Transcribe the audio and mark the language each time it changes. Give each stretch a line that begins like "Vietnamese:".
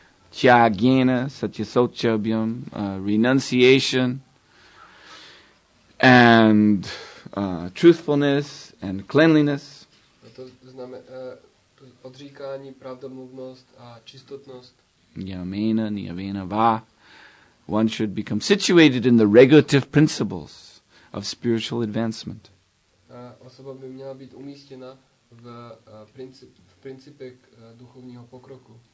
Sanskrit: Tyagena, satyasochabhyam,
English: renunciation, and truthfulness, and cleanliness.
Czech: To znamená odříkání, pravdomluvnost a čistotnost.
Sanskrit: Yamena, niyavena, va.
English: One should become situated in the regulative principles of spiritual advancement.
Czech: Osoba by měla být umístěna v principech duchovního pokroku.